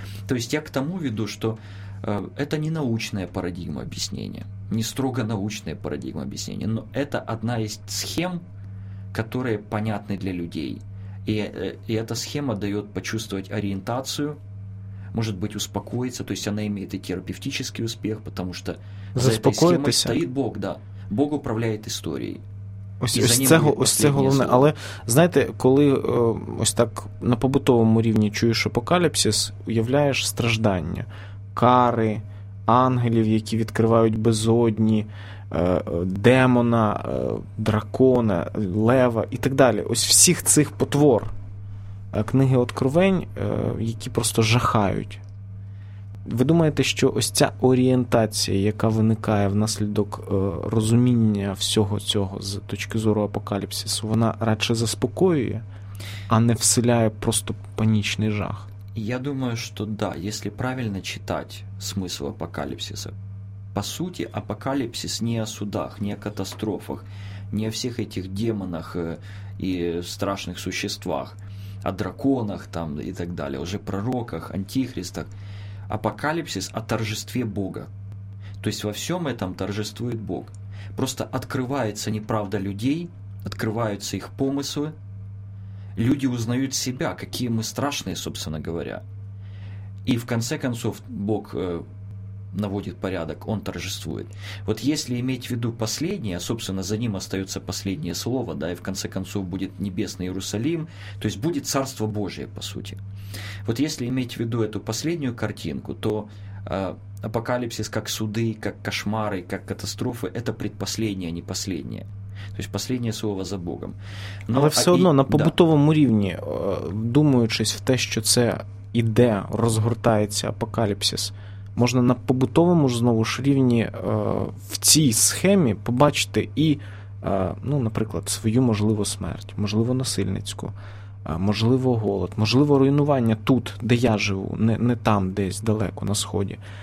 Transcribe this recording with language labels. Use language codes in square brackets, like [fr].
[ru] То есть я к тому веду, что это не научная парадигма объяснения, не строго научная парадигма объяснения, но это одна из схем, которые понятны для людей. И эта схема дает почувствовать ориентацию, может быть, успокоиться, то есть она имеет и терапевтический успех, потому что за этой схемой стоит Бог, да. Бог управляет историей. [uk] Ось це головне. Але, знаєте, коли ось так на побутовому рівні чуєш апокаліпсис, уявляєш страждання. Кари, ангелів, які відкривають безодні, демона, дракона, лева і так далі. Ось всіх цих потвор книги Откровень, які просто жахають. Ви думаєте, що ось ця орієнтація, яка виникає внаслідок розуміння всього цього з точки зору апокаліпсису, вона радше заспокоює, а не вселяє просто панічний жах? [ru] Я думаю, что да, если правильно читать смысл апокалипсиса. По сути, апокалипсис не о судах, не о катастрофах, не о всех этих демонах и страшных существах, о драконах там и так далее, уже пророках, антихристах. Апокалипсис о торжестве Бога. То есть во всем этом торжествует Бог. Просто открывается неправда людей, открываются их помыслы, люди узнают себя, какие мы страшные, собственно говоря. И в конце концов Бог наводит порядок, Он торжествует. Вот если иметь в виду последнее, собственно, за Ним остается последнее слово, да, и в конце концов будет небесный Иерусалим, то есть будет Царство Божие, по сути. Вот если иметь в виду эту последнюю картинку, то апокалипсис как суды, как кошмары, как катастрофы – это предпоследнее, а не последнее. То есть последнее слово за Богом. [uk] Но, але все одно на побутовому рівні, думаючись в те, що це іде, розгортається апокаліпсис, можна на побутовому ж знову ж рівні в цій схемі побачити і, ну, наприклад, свою, можливо, смерть, можливо, насильницьку, можливо, голод, можливо, руйнування тут, де я живу, не там десь далеко, на сході.